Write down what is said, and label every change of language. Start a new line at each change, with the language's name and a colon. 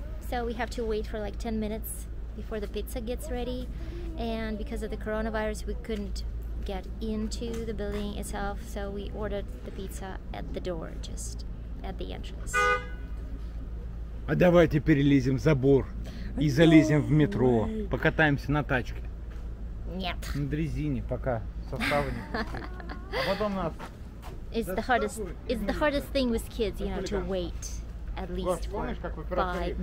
English: So we have to wait for like 10 minutes before the pizza gets ready, and because of the coronavirus we couldn't get into the building itself, so we ordered the pizza at the door, just at the entrance.
Russian: А давайте перелезем забор и залезем в метро, покатаемся на тачке. Нет. На дрезине, пока состава не. А потом нас.
English: It's the hardest thing with kids, you know, to wait at least for 5 minutes.